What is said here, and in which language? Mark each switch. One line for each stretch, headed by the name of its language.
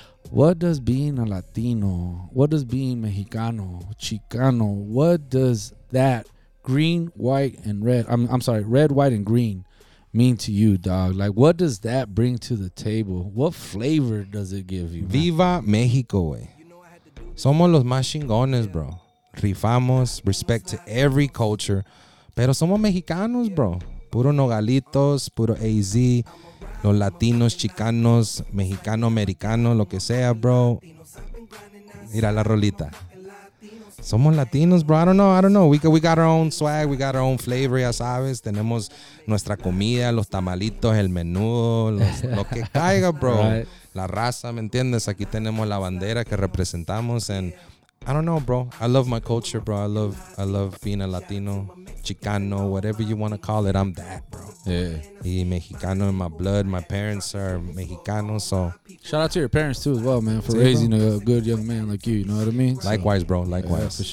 English: What does being a Latino, what does being Mexicano, Chicano, what does that green, white, and red, I'm sorry, red, white, and green mean to you, dog? Like, what does that bring to the table? What flavor does it give you?
Spanish: Viva Mexico, eh. Somos los más chingones, bro. Rifamos,
English: respect to every culture.
Spanish: Pero somos mexicanos, bro. Puro nogalitos, puro AZ. Los latinos, chicanos, mexicano, americano, lo que sea, bro. Mira la rolita. Somos latinos, bro.
English: I don't know. We got our own swag. We got our own flavor,
Spanish: ya sabes. Tenemos nuestra comida, los tamalitos, el menudo, lo que caiga, bro. Right. La raza, ¿me entiendes? Aquí tenemos la bandera que representamos.
English: And I don't know, bro. I love my culture, bro. I love being a Latino, Chicano, whatever you want to call it. I'm that, bro. Yeah. Y Mexicano in my blood. My parents are Mexicanos, so. Shout out to your parents, too, as well, man, for raising a good young man like you. You know what I mean? Likewise, bro. Likewise.